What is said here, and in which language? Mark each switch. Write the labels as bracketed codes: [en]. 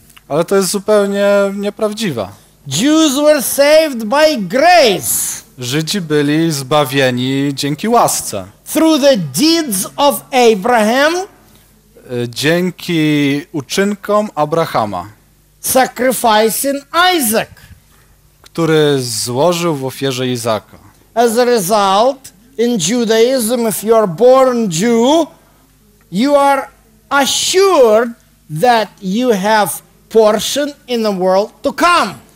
[pl] Ale to jest zupełnie nieprawdziwe. [en] Jews were saved by grace. [pl] Żydzi byli zbawieni dzięki łasce. [en] Through the deeds of Abraham. [pl] Dzięki uczynkom Abrahama. [en] Sacrificing Isaac. [pl] Który złożył w ofierze Izaka. [en] As a result, in Judaism, if you are born Jew, you are assured that you have portion in the world to come.